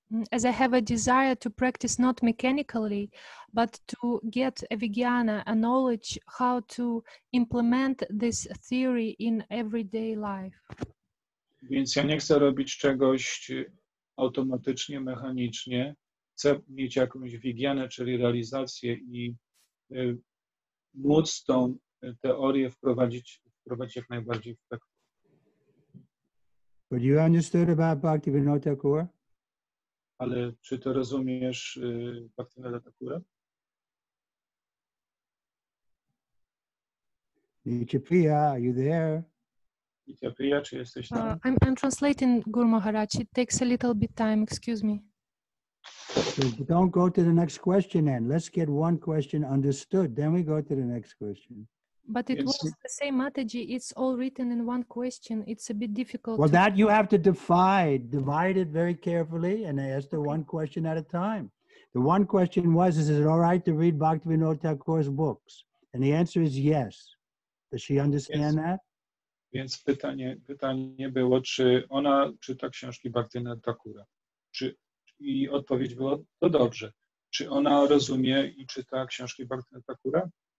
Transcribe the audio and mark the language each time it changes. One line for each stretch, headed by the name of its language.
English: As I have a desire to practice not mechanically, but to get a vijnana, a knowledge how to implement this theory in everyday life.
Polish: Więc ja nie chcę robić czegoś automatycznie, mechanicznie. Chcę mieć jakąś vijnana, czyli realizację i móc tą teorię wprowadzić jak najbardziej w praktykę.
English: But you understood about Bhaktivinoda Thakura?
Polish: Ale czy to rozumiesz Bhaktivinoda Thakura?
English: Nityapriya, are you there?
Polish: Nityapriya, czy jesteś tam?
English: I'm translating, Guru Maharaj. It takes a little bit time, excuse me. So don't go to the next question then. Let's get one question understood, then we go to the next question. But it was the same Mataji. It's all written in one question. It's a bit difficult. Well, that you have to divide it very carefully and ask the one question at a time. The one question was, is it all right to read Bhaktivinoda Thakura's books? And the answer is yes. Does she understand that?
Polish: Więc pytanie było, czy ona czyta książki Bhaktivinoda Thakura? I odpowiedź była, to dobrze. Czy ona rozumie i czyta książki Bhaktivinoda Thakura?